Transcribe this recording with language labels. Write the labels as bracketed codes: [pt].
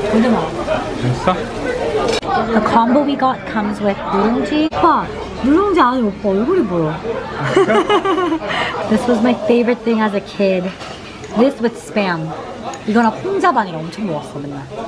[ko] 맛있어? [en] The combo we got comes with 누룽지. [ko] 와, 누룽지 안에 오빠 얼굴이 보여. [en] This was my favorite thing as a kid. This with spam. [ko] 이거랑 홍자반이랑 엄청 먹었어 맨날.